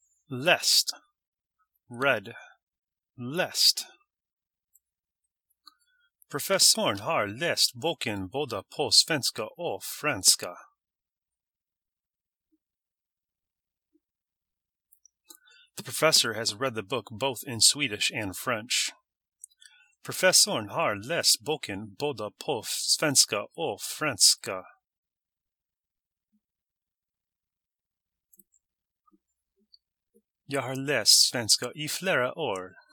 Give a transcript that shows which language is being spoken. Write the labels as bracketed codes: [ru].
[sv] Läst. [en] Read. [sv] Läst. Professorn har läst boken både på svenska och franska. [en] The professor has read the book both in Swedish and French. [sv] Professorn har läst boken både på svenska och franska. Jag har läst svenska i flera år.